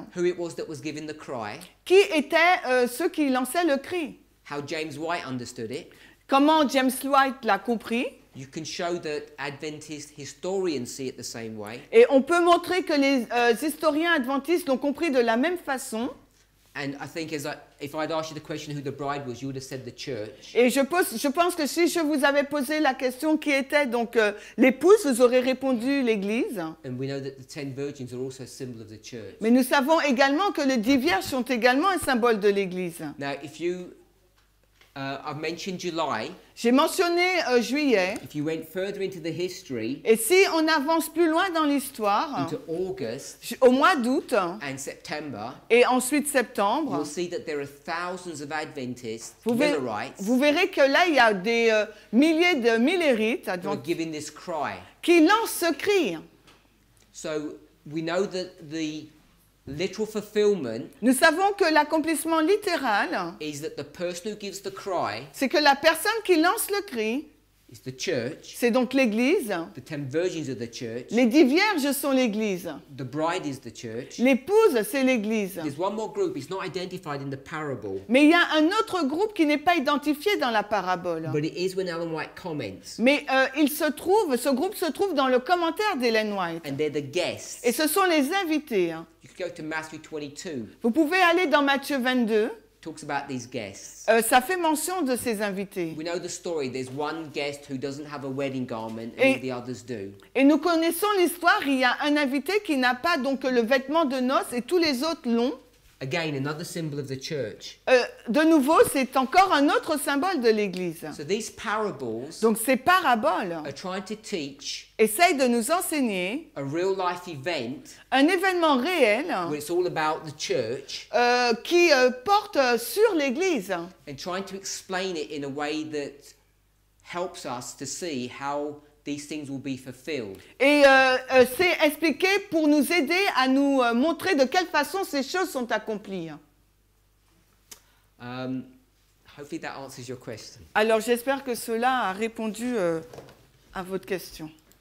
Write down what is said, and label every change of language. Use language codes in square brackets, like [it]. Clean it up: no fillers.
[en] who it was that was giving the cry, [fr] qui étaient ceux qui lançaient le cri. [en] How James White understood it, [fr] comment James White l'a compris. [en] You can show that Adventist historians see it the same way, [fr] et on peut montrer que les historiens adventistes l'ont compris de la même façon. [en] And I think as if I'd asked you the question who the bride was, you would have said the church. [fr] Et je pense que si je vous avais posé la question qui était donc l'épouse, vous auriez répondu l'église. [en] And we know that the ten virgins are also a symbol of the church. [fr] Mais nous savons également que les 10 vierges sont également un symbole de l'église. [en] Now if you I've mentioned July. [fr] J'ai mentionné juillet. [en] If you went further into the history, [fr] et si on avance plus loin dans l'histoire, [en] into August, [fr] au mois d'août, [en] and September, [fr] et ensuite septembre, [en] you'll see that there are thousands of Adventists, Millerites, [fr] vous verrez que là il y a des milliers de Millerites qui lancent ce cri. [en] So we know that the literal fulfillment, [fr] nous savons que l'accomplissement littéral, [en] is that the person who gives the cry, [fr] c'est que la personne qui lance le cri, [en] is the church, [fr] c'est donc l'église. [en] The ten virgins are the church, [fr] les 10 vierges sont l'église. [en] The bride is the church, [fr] l'épouse c'est l'église. [en] There's one more group, it's not identified in the parable, [fr] mais il y a un autre groupe qui n'est pas identifié dans la parabole. [en] But it is when Ellen White comments, [fr] mais ce groupe se trouve dans le commentaire d'Ellen White. [en] And they're the guests, [fr] et ce sont les invités. [en] Go to Matthew 22. [fr] Vous pouvez aller dans Matthieu 22. [en] Talks about these guests. [fr] Ça fait mention de ces invités. [en] We know the story. There's one guest who doesn't have a wedding garment, and the others do. [fr] Et nous connaissons l'histoire. Il y a un invité qui n'a pas donc le vêtement de noces, et tous les autres l'ont. [en] Again, another symbol of the church. [fr] De nouveau, c'est encore un autre symbole de l'Église. [en] So these parables, [fr] donc ces paraboles, [en] are trying to teach, [fr] essayent de nous enseigner, [en] a real life event, [fr] un événement réel, [en] where it's all about the church, [fr] qui porte sur l'Église. [en] And trying to explain it in a way that helps us to see how these things will be fulfilled. [fr] Et c'est expliqué pour nous aider à nous montrer de quelle façon ces choses sont accomplies. [en] Hopefully that answers your question. [fr] Alors j'espère que cela a répondu à votre question.